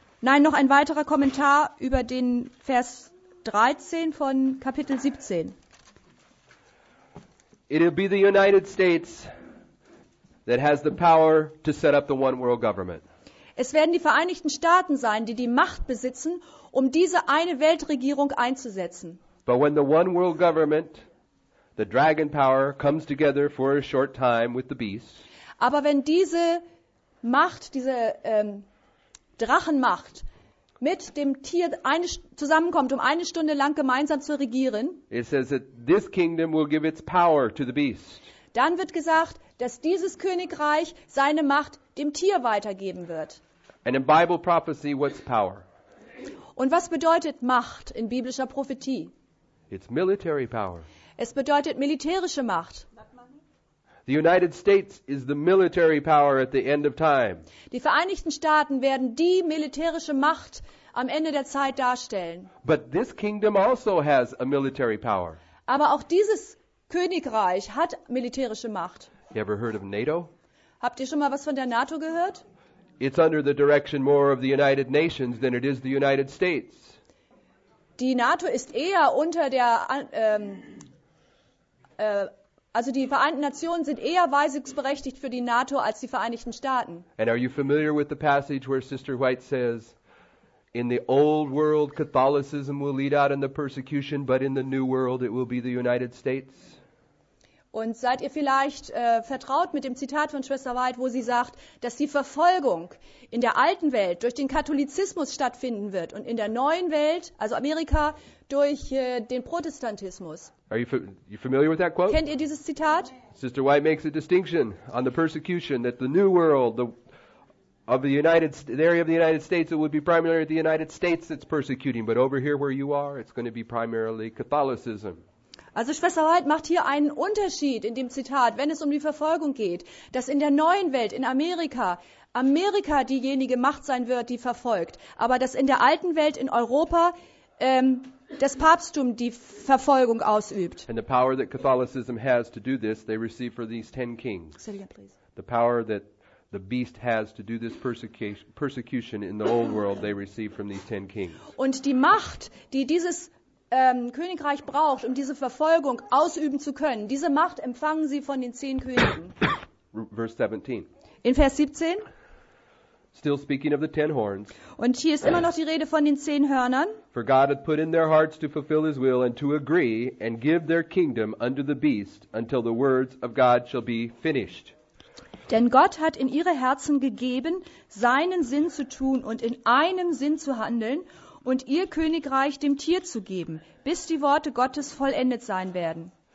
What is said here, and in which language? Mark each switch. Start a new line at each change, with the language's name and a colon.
German: Nein, noch ein weiterer Kommentar über den Vers 13 von Kapitel 17.
English: It'll be the United States that has the power to set up the one world government.
German: Es werden die Vereinigten Staaten sein, die die Macht besitzen, um diese eine Weltregierung einzusetzen.
English: But when the one world government, the dragon power, comes together for a short time with the beast.
German: Aber wenn diese Macht, diese Drachenmacht mit dem Tier zusammenkommt, um eine Stunde lang gemeinsam zu regieren,
English: it says that this kingdom will give its power to the beast.
German: Dann wird gesagt, dass dieses Königreich seine Macht dem Tier weitergeben wird.
English: And in Bible prophecy, what's power?
German: Und was bedeutet Macht in biblischer Prophetie?
English: It's military power.
German: Es bedeutet militärische Macht.
English: The United States is the military power at the end of time.
German: Die Vereinigten Staaten werden die militärische Macht am Ende der Zeit darstellen.
English: But this kingdom also has a military power.
German: Aber auch dieses Königreich hat militärische Macht.
English: You ever heard of NATO?
German: Habt ihr schon mal was von der NATO gehört?
English: It's under the direction more of the United Nations than it is the United States.
German: Die NATO ist eher unter der also die Vereinten Nationen sind eher weisungsberechtigt für die NATO als die Vereinigten Staaten.
English: And are you familiar with the passage where Sister White says, in the old world Catholicism will lead out in the persecution, but in the new world it will be the United States?
German: Und seid ihr vielleicht vertraut mit dem Zitat von Schwester White, wo sie sagt, dass die Verfolgung in der alten Welt durch den Katholizismus stattfinden wird und in der neuen Welt, also Amerika, durch den Protestantismus?
English: Are you familiar with that quote?
German: Kennt ihr dieses Zitat?
English: Sister White makes a distinction on the persecution that the new world, the area of the United States, it would be primarily the United States that's persecuting, but over here where you are, it's going to be primarily Catholicism.
German: Also Schwester White macht hier einen Unterschied in dem Zitat, wenn es um die Verfolgung geht, dass in der neuen Welt, in Amerika, Amerika diejenige Macht sein wird, die verfolgt, aber dass in der alten Welt, in Europa, das Papsttum die Verfolgung ausübt.
English: And the power that Catholicism has to do this, they receive for these 10 kings. Celia, please. The power that the beast has to do this persecution in the old world, they receive from these 10 kings.
German: Und die Macht, die dieses Königreich braucht, um diese Verfolgung ausüben zu können, diese Macht empfangen sie von den 10 Königen.
English: Verse 17.
German: In Vers 17.
English: Still speaking of the 10 horns.
German: Und hier ist immer noch die Rede von den 10 Hörnern.
English: For God hath put in their hearts to fulfill his will and to agree and give their kingdom unto the beast until the words of God shall be finished.
German: Denn Gott hat in ihre Herzen gegeben, seinen Sinn zu tun und in einem Sinn zu handeln und ihr Königreich dem Tier zu geben, bis die Worte Gottes vollendet sein werden.